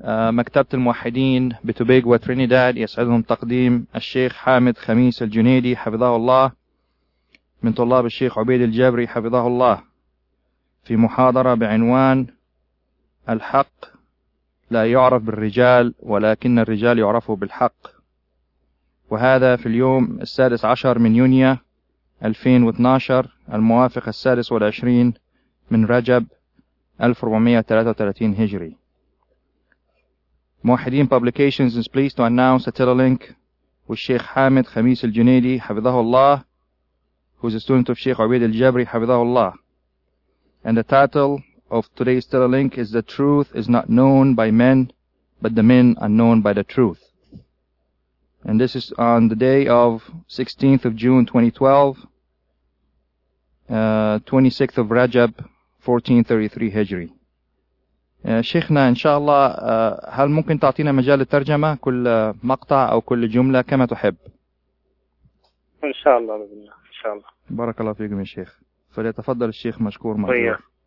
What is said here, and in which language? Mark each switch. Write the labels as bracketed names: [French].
[Arabic] مكتبة الموحدين بتوبيغو وترينيداد يسعدهم تقديم الشيخ حامد خميس الجنيدي حفظه الله من طلاب الشيخ عبيد الجبري حفظه الله في محاضرة بعنوان الحق لا يعرف بالرجال ولكن الرجال يعرفوا بالحق، وهذا في اليوم 16 من يونيو 2012 الموافق 26 من رجب 1433 هجري. [English] موحدين Publications is pleased to announce a telelink with Sheikh Hamid Khamis al-Junaidi حفظه الله, who is a student of Sheikh Ubaid al-Jabri حفظه الله. And the title of today's telelink is The Truth is Not Known by Men, but the Men Are Known by the Truth. And this is on the day of 16th of June 2012, 26th of Rajab 1433 هجري. [Arabic] شيخنا إن شاء الله هل ممكن تعطينا مجال الترجمة كل مقطع أو كل جملة كما تحب؟ إن شاء الله بإذن الله. إن شاء الله. بارك الله فيكم يا شيخ. فليتفضل الشيخ مشكور مرحبا.